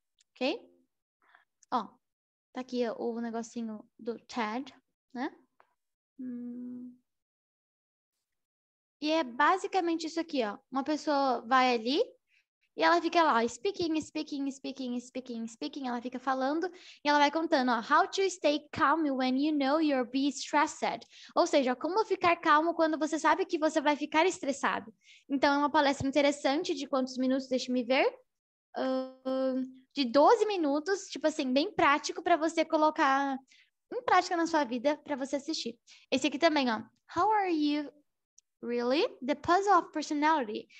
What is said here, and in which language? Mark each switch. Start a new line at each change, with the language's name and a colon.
Portuguese: Ok? Ó, tá aqui o negocinho do TED, né? E é basicamente isso aqui, ó. Uma pessoa vai ali e ela fica lá,
English: speaking, speaking, speaking, speaking,
Portuguese: speaking. Ela fica falando e ela vai contando, ó.
English: How to stay calm when you know you're being stressed.
Portuguese: Ou seja, como ficar calmo quando você sabe que você vai ficar estressado. Então, é uma palestra interessante de quantos minutos, deixa eu ver. De 12 minutos, tipo assim, bem prático para você colocar em prática na sua vida, para você assistir. Esse aqui também, ó.
English: How are you? Really? The puzzle of personality.